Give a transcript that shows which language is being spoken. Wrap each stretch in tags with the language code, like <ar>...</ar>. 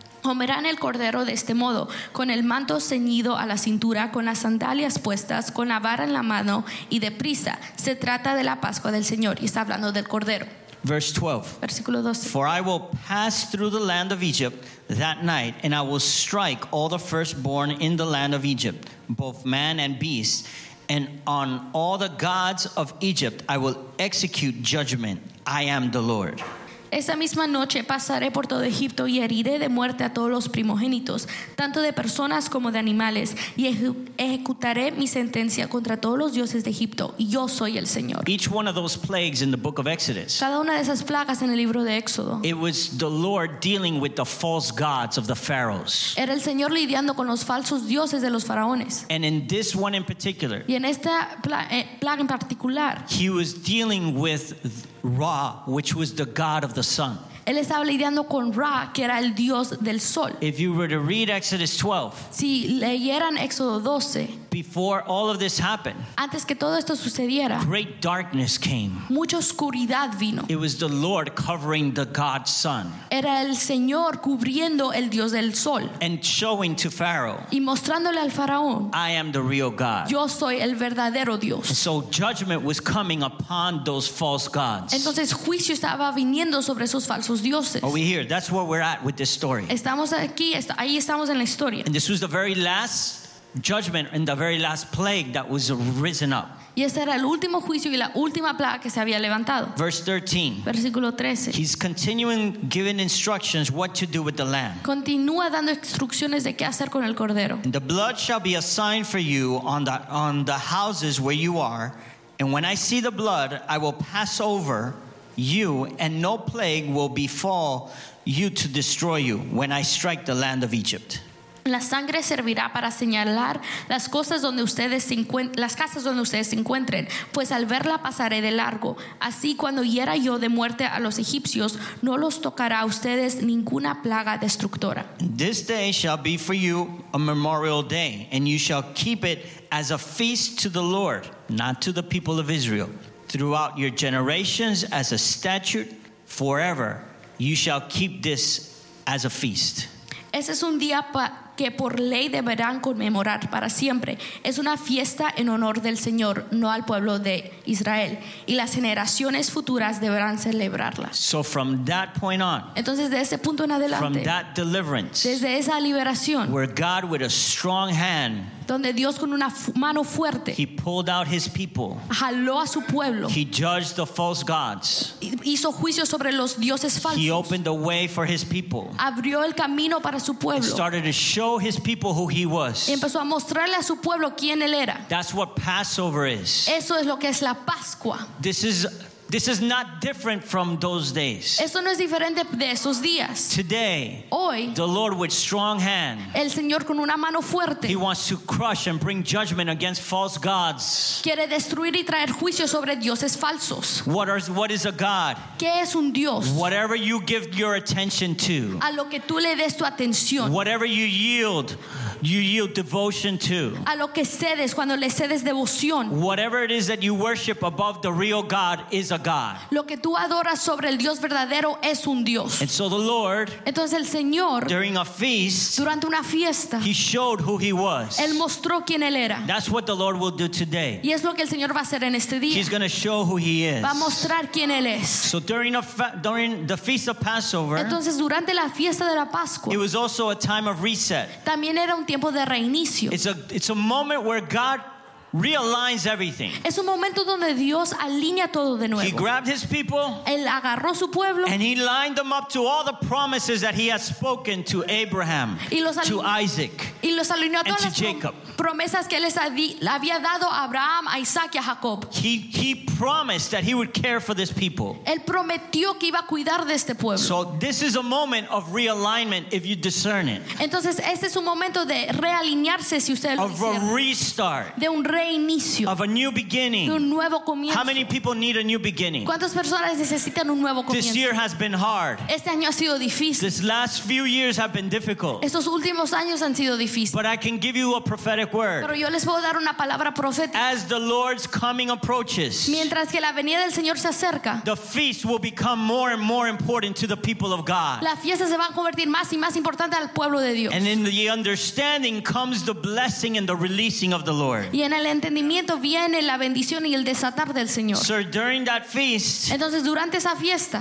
<es>Comerán el cordero de este modo, con el manto ceñido a la cintura, con las sandalias puestas, con la vara en la mano y deprisa. Se trata de la Pascua del Señor y está hablando del cordero.</es> <en>Verse 12.</en> <es>Versículo 12.</es> <en>For I will pass through the land of Egypt that night, and I will strike all the firstborn in the land of Egypt, both man and beast, and on all the gods of Egypt I will execute judgment. I am the Lord.</en> <es>Esa misma noche pasaré por todo Egipto y heriré de muerte a todos los primogénitos, tanto de personas como de animales, y ejecutaré mi sentencia contra todos los dioses de Egipto, y yo soy el Señor.</es> <en>Each one of those plagues in the book of Exodus.</en> <es>Cada una de esas plagas en el libro de Éxodo.</es> <en>It was the Lord dealing with the false gods of the pharaohs.</en> <es>Era el Señor lidiando con los falsos dioses de los faraones.</es> <en>And in this one in particular.</en> <es>Y en esta plaga en particular.</es> <en>He was dealing with Ra, which was the god of the sun.</en> <es>Él estaba lidiando con Ra, que era el dios del sol.</es> <en>If you were to read Exodus 12,</en> <es>si leyeran Éxodo 12,</es> <en>before all of this happened,</en> <es>antes que todo esto sucediera,</es> <en>great darkness came.</en> <es>Mucha oscuridad vino.</es> <en>It was the Lord covering the god sun.</en> <es>Era el Señor cubriendo el dios del sol.</es> <en>And showing to Pharaoh,</en> <es>y mostrándole al faraón,</es> <en>I am the real God.</en> <es>Yo soy el verdadero dios.</es> <en>So judgment was coming upon those false gods.</en> <es>Entonces juicio estaba viniendo sobre esos falsos dioses.</es> <en>Are we here? That's where we're at with this story.</en> <es>Estamos aquí, ahí estamos en la historia.</es> <en>And this was the very last judgment and the very last plague that was risen up.</en> <es>Y ese era el último juicio y la última plaga que se había levantado.</es> <en>Verse 13.</en> <es>Versículo 13.</es> <en>He's continuing giving instructions what to do with the lamb.</en> <es>Continúa dando instrucciones de qué hacer con el cordero.</es> <en>And the blood shall be a sign for you on the houses where you are, and when I see the blood, I will pass over. you, and no plague will befall you to destroy you when I strike the land of Egypt.</en> <es>La sangre servirá para señalar las cosas donde ustedes se encuentren, las casas donde ustedes se encuentren, pues al verla pasaré de largo. Así cuando hiera yo de muerte a los egipcios, no los tocará a ustedes ninguna plaga destructora.</es> <en>This day shall be for you a memorial day, and you shall keep it as a feast to the Lord, not to the people of Israel, throughout your generations as a statute forever. You shall keep this as a feast.</en> <es>Ese es un día que por ley deberán conmemorar para siempre. Es una fiesta en honor del Señor, no al pueblo de Israel. Y las generaciones futuras deberán celebrarla.</es> <en>So from that point on,</en> <es>entonces de ese punto en adelante,</es> <en>from that deliverance,</en> <es>desde esa liberación,</es> <en>where God with a strong hand,</en> <es>donde Dios con una mano fuerte,</es> <en>he pulled out his people,</en> <es>jaló a su pueblo,</es> <en>he judged the false gods,</en> <es>hizo juicio sobre los dioses falsos,</es> <en>he opened the way for his people,</en> <es>abrió el camino para su pueblo,</es> <en>and started to show his people who he was,</en> <es>y empezó a mostrarle a su pueblo quién él era.</es> <en>That's what Passover is.</en> <es>Eso es lo que es la Pascua.</es> <en>This is not different from those days.</en> <es>Esto no es diferente de esos días.</es> <en>Today,</en> <es>hoy,</es> <en>the Lord with strong hand,</en> <es>el Señor con una mano fuerte,</es> <en>he wants to crush and bring judgment against false gods.</en> <es>Quiere destruir y traer juicio sobre dioses falsos.</es> <en>What is a god?</en> <es>¿Qué es un dios?</es> <en>Whatever you give your attention to,</en> <es>a lo que tú le des tu atención,</es> <en>whatever you yield devotion to,</en> <es>a lo que cedes cuando le cedes devoción,</es> <en>whatever it is that you worship above the real God is a God.</en> <es>Lo que tú adoras sobre el Dios verdadero es un Dios.</es> <en>And so the Lord,</en> <es>entonces el Señor,</es> <en>during a feast,</en> <es>durante una fiesta,</es> <en>he showed who he was.</en> <es>Él mostró quién él era.</es> <en>That's what the Lord will do today.</en> <es>Y es lo que el Señor va a hacer en este día.</es> <en>He's going to show who he is.</en> <es>Va a mostrar quién él es.</es> <en>So during the feast of Passover,</en> <es>entonces durante la fiesta de la Pascua,</es> <en>it was also a time of reset.</en> <es>También era un tiempo de reinicio.</es> <en>It's a moment where God realigns everything.</en> <es>Es un momento donde Dios alinea todo de nuevo.</es> <en>He grabbed his people.</en> <es>Él agarró su pueblo.</es> <en>And he lined them up to all the promises that he has spoken to Abraham, to Isaac,</en> <es>y los alineó a todas</es> <en>and to Jacob.</en> <es>Promesas que él les había dado a Abraham, a Isaac y a Jacob.</es> <en>He promised that he would care for this people.</en> <es>Él prometió que iba a cuidar de este pueblo.</es> <en>So this is a moment of realignment if you discern it.</en> <es>Entonces este es un momento de realinearse si usted lo</es> <en>of a restart.</en> <es>De un reinicio.</es> <en>Of a new beginning.</en> <es>De un nuevo comienzo.</es> <en>How many people need a new beginning?</en> <es>¿Cuántas personas necesitan un nuevo comienzo?</es> <en>This year has been hard.</en> <es>Este año ha sido difícil.</es> <en>These last few years have been difficult.</en> <es>Estos últimos años han sido difíciles.</es> <en>But I can give you a prophetic word.</en> <es>Pero yo les puedo dar una palabra profética.</es> <en>As the Lord's coming approaches,</en> <es>mientras que la venida del Señor se acerca,</es> <en>the feast will become more and more important to the people of God.</en> <es>La fiesta se va a convertir más y más importante al pueblo de Dios.</es> <en>And in the understanding comes the blessing and the releasing of the Lord.</en> <es>Y en el entendimiento viene la bendición y el desatar del Señor.</es> <en>So during that feast,</en> <es>entonces durante esa fiesta,</es>